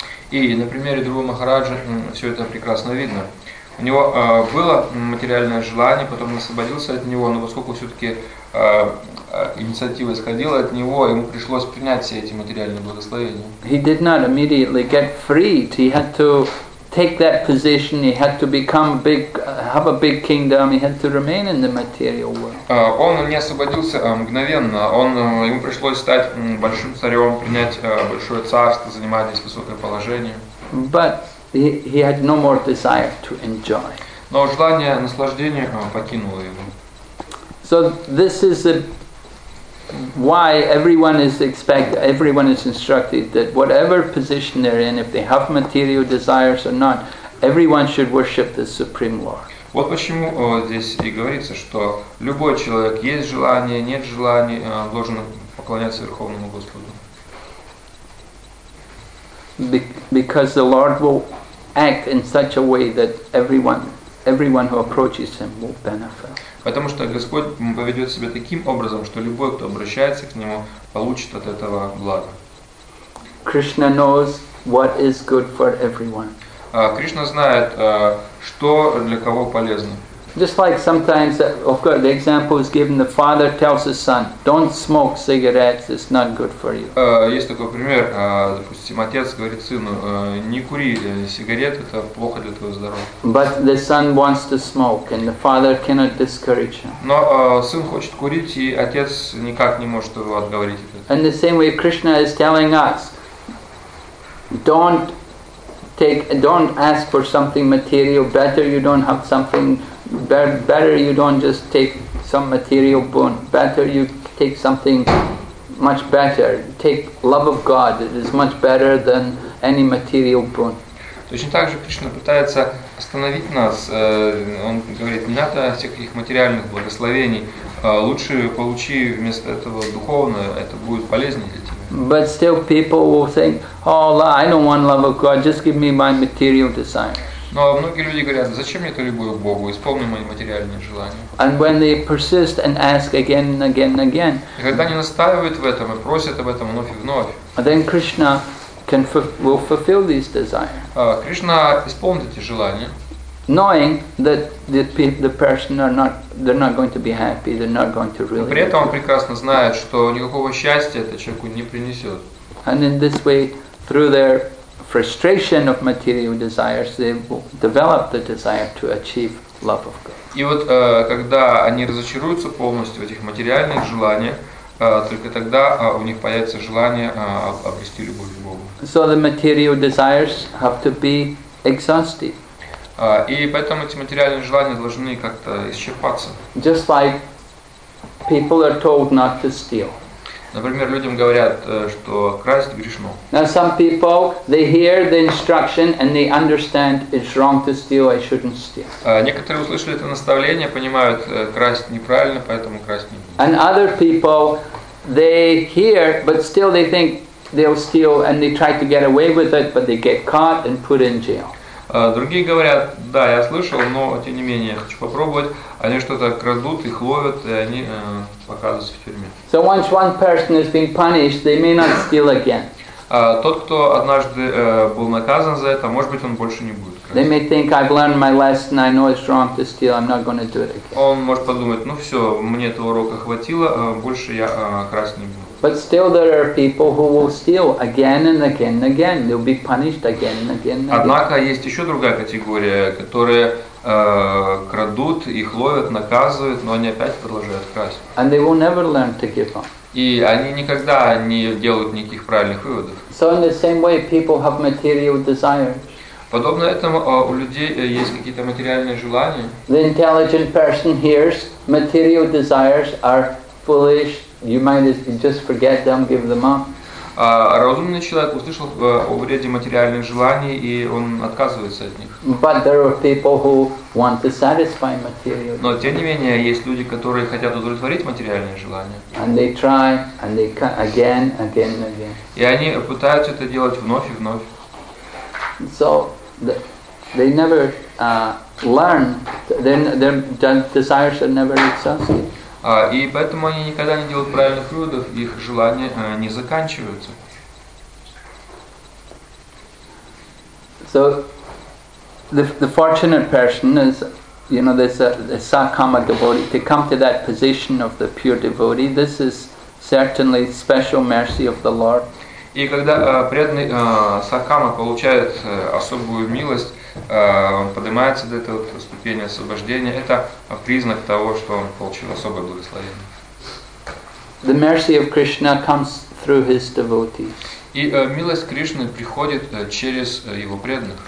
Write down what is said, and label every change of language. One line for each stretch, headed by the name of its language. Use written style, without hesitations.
Russian: И на примере Друва Махараджа все это прекрасно видно. У него было материальное желание, потом он освободился от него, но поскольку все-таки инициатива исходила от него, ему пришлось принять все эти материальные благословения.
English: He did not immediately get freed. He had to take that position, he had to become big, have a big kingdom, he had to remain in the material world.
Russian: Он не освободился мгновенно, ему пришлось стать большим царем, принять большое царство, занимать здесь высокое положение.
English: But he had no more desire to enjoy.
Russian: Но желание наслаждения покинуло его.
English: So this is the why everyone is instructed that whatever position they're in, if they have material desires or not, everyone should worship the Supreme Lord.
Russian: Вот почему здесь и говорится, что любой человек, есть желание, нет желания, должен поклоняться Верховному Господу.
English: Because the Lord will act in such a way that everyone who approaches Him will benefit.
Russian: Потому что Господь поведет себя таким образом, что любой, кто обращается к Нему, получит от этого благо.
English: Krishna knows what is good for everyone.
Russian: Кришна знает, что для кого полезно.
English: Just like sometimes, of course, the example is given: the father tells his son, "Don't smoke cigarettes; it's not good for you."
Russian: Есть такой пример, допустим, отец говорит сыну: "Не кури сигарет; это плохо для твоего здоровья."
English: But the son wants to smoke, and the father cannot discourage him.
Russian: Но сын хочет курить, и отец никак не может его отговорить от этого.
English: And the same way, Krishna is telling us, don't ask for something material. Better you don't have something. Better you don't just take some material boon. Better you take something much better. Take love of God. It is much better than any material boon.
Russian: Точно так же Кришна пытается остановить нас. Он говорит, не надо всяких материальных благословений. Лучше получи вместо этого духовное. Это будет полезнее для тебя.
English: But still people will think, oh, I don't want love of God. Just give me my material desire.
Russian: Но многие люди говорят, зачем мне эту любовь к Богу? Исполни мои материальные желания.
English: And when they persist and ask again and again and again.
Russian: И когда они настаивают в этом и просят об этом вновь и вновь.
English: Then Krishna will fulfill these desires.
Russian: Кришна исполнит эти желания.
English: Knowing that the person are not, they're not going to be happy, they're not going to really.
Russian: Но при этом он прекрасно знает, что никакого счастья это человеку не принесет.
English: And in this way, through their frustration of material desires, they develop the desire to achieve love of God.
Russian: И вот когда они разочаруются полностью в этих материальных желаниях, только тогда у них появится желание обрести любовь к Богу.
English: So the material desires have to be exhausted.
Russian: И поэтому эти материальные желания должны как-то исчерпаться.
English: Just like people are told not to steal.
Russian: Например, людям говорят, что красть грешно.
English: Now some people, they hear the instruction and they understand it's wrong to steal, I shouldn't steal.
Russian: Некоторые услышали это наставление, понимают, красть неправильно, поэтому красть не будут.
English: And other people, they hear, but still they think they'll steal and they try to get away with it, but they get caught and put in jail.
Russian: Другие говорят, да, я слышал, но тем не менее, я хочу попробовать. Они что-то крадут, их ловят, и они оказываются в тюрьме.
English: So once one person has been punished, they may not steal again.
Russian: Тот, кто однажды был наказан за это, может быть, он больше не будет красть.
English: They may think, I've learned my lesson, I know it's wrong to steal, I'm not going to do it again.
Russian: Он может подумать, ну все, мне этого урока хватило, больше я красть не буду.
English: But still there are people who will steal again and again and again. They'll be punished again and again and again.
Russian: Однако есть еще другая категория, которые крадут, их ловят, наказывают, но они опять продолжают красть.
English: And they will never learn to give up.
Russian: И они никогда не делают никаких правильных выводов.
English: So in the same way people have material desires.
Russian: Подобно этому у людей есть какие-то материальные желания.
English: The intelligent person hears material desires are foolish. You might just forget them, give them up.
Russian: Разумный человек услышал о вреде материальных желаний и он отказывается от них.
English: But there are people who want to satisfy material.
Russian: Но тем не менее есть люди, которые хотят удовлетворить материальные желания.
English: And they try and they come again, again, again.
Russian: И они пытаются это делать вновь и вновь.
English: So they never learn. Their desires are never exhausted.
Russian: И поэтому они никогда не делают правильных выводов, их желания не заканчиваются.
English: So the fortunate person is, you know, this a Sakama devotee, to come to that position of the pure devotee, this is certainly special mercy of the Lord.
Russian: И когда преданный Сакама получает особую милость, он поднимается до этого ступени освобождения. Это признак того, что он получил особое благословение.
English: The mercy of Krishna comes through his devotees.
Russian: И милость Кришны приходит через его преданных.